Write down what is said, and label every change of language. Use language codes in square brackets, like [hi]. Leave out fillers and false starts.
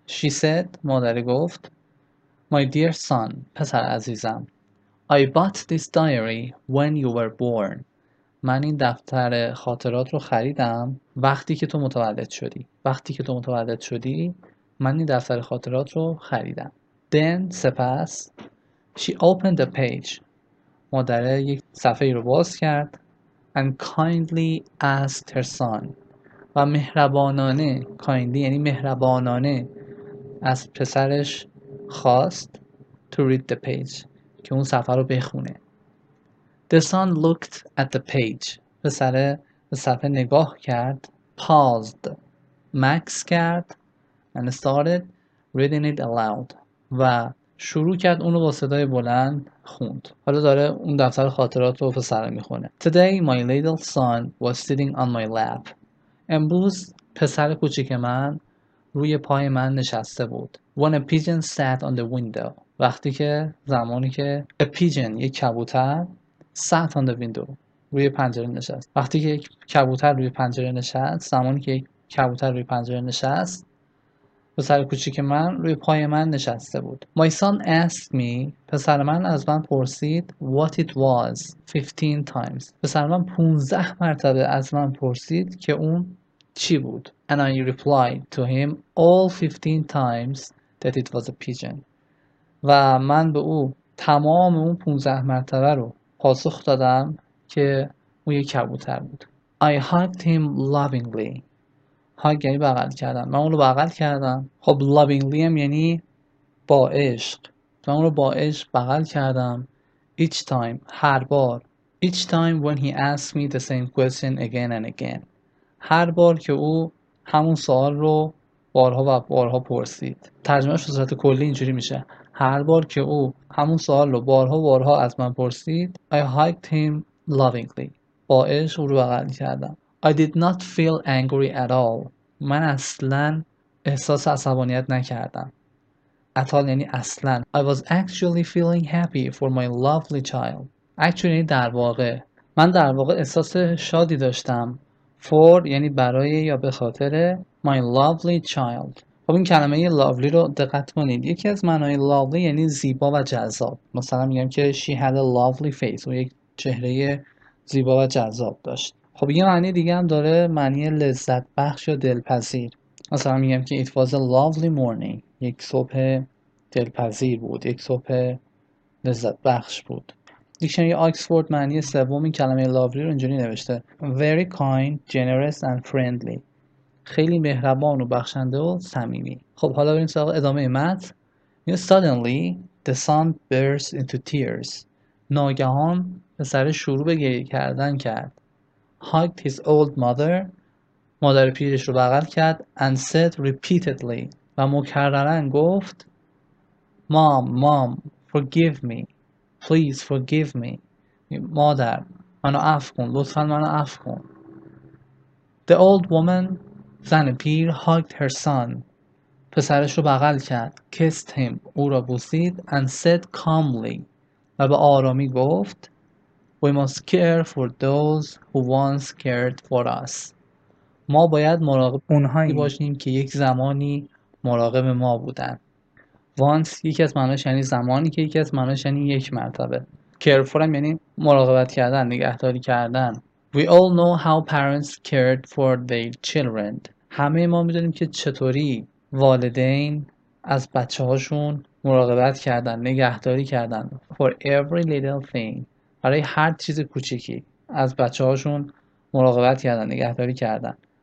[en] she said، [fa] مادر گفت [en] my dear son، [fa] پسر عزیزم، [en] I bought this diary when you were born، [fa] من این دفتر خاطرات رو خریدم وقتی که تو متولد شدی، وقتی که تو متولد شدی من این دفتر خاطرات رو خریدم. [en] then [fa] سپس [en] she opened the page، [fa] مادره یک صفحه رو باز کرد [en] and kindly asked her son، [fa] و مهربانانه، [en] kindly [fa] یعنی مهربانانه، از پسرش خواست [en] to read the page، [fa] که اون صفحه رو بخونه. [en] The son looked at the page، [fa] پسر به صفحه نگاه کرد، [en] paused، [fa] max کرد، [en] and started reading it aloud، [fa] و شروع کرد اونو با صدای بلند خوند. حالا داره اون دفتر خاطرات رو به سر میخونه. [en] Today my little son was sitting on my lap. [fa] امروز پسر کوچیک من روی پای من نشسته بود. [en] When a pigeon sat on the window. [fa] وقتی که زمانی که [en] a pigeon [fa] یک کبوتر [en] sat on the window [fa] روی پنجره نشست. وقتی که یک کبوتر روی پنجره نشست، زمانی که یک کبوتر روی پنجره نشست، پسر کوچیک من روی پای من نشسته بود. [en] My son asked me، [fa] پسر من از من پرسید، [en] what it was 15 times. [fa] پسر من 15 مرتبه از من پرسید که اون چی بود. [en] And I replied to him all 15 times that it was a pigeon. [fa] و من به او تمام اون 15 مرتبه رو پاسخ دادم که اون یک کبوتر بود. [en] I hugged him lovingly. [fa] هاگ یعنی بغل کردن. من اون رو بغل کردم. خب lovingly هم یعنی با عشق. من اون رو با عشق بغل کردم. [en] Each time. [fa] هر بار. [en] Each time when he asked me the same question again and again. [fa] هر بار که او همون سوال رو بارها و بارها پرسید. ترجمهش به صورت کلی اینجوری میشه. هر بار که او همون سوال رو بارها و بارها از من پرسید. [en] I hugged him lovingly. [fa] با عشق او رو بغل کردم. [en] I did not feel angry at all. [fa] من اصلاً احساس عصبانیت نکردم. At all یعنی اصلاً. [en] I was actually feeling happy for my lovely child. [fa] Actually یعنی در واقع. من در واقع احساس شادی داشتم. For یعنی برای یا به خاطر [en] my lovely child. [fa] خب این کلمه یه lovely رو دقت کنید. یکی از معنای lovely یعنی زیبا و جذاب. مثلا میگم که [en] she had a lovely face. [fa] اون یک چهره زیبا و جذاب داشت. خب یه معنی دیگه هم داره، معنی لذت بخش و دلپذیر. مثلا میگم که [en] it was a lovely morning، [fa] یک صبح دلپذیر بود، یک صبح لذت بخش بود. دیکشنری آکسفورد معنی سوم این کلمه lovely رو اینجوری نوشته: [en] very kind، generous and friendly، [fa] خیلی مهربان و بخشنده و صمیمی. خب حالا بریم سراغ ادامه متن. [en] Suddenly the son burst into tears، [fa] ناگهان پسرش شروع به گریه کردن کرد. [en] Hugged his old mother، [fa] مادر پیرش رو بغل کرد. [en] And said repeatedly، [fa] و مکررن گفت، [en] Mom، Mom، forgive me، please forgive me، [fa] مادر منو عفو کن، لطفا منو عفو کن. [en] The old woman، [fa] زن پیر، [en] hugged her son، [fa] پسرش رو بغل کرد. [en] Kissed him، [fa] او را بوسید. [en] And said calmly، [fa] و به آرامی گفت، [en] We must care for those who once cared for us. [fa] ما باید مراقب اونهایی باشیم که یک زمانی مراقب ما بودن. Once یکی از معناش یعنی زمانی، که یکی از معناش یعنی یک مرتبه. Care for هم یعنی مراقبت کردن، نگهداری کردن. [en] We all know how parents cared for their children. [fa] همه ما میدونیم که چطوری والدین از بچه هاشون مراقبت کردن، نگهداری کردن. [en] For every little thing. [fa] برای هر چیز کوچیکی از بچه هاشون مراقبت کردن، نگهداری کردن.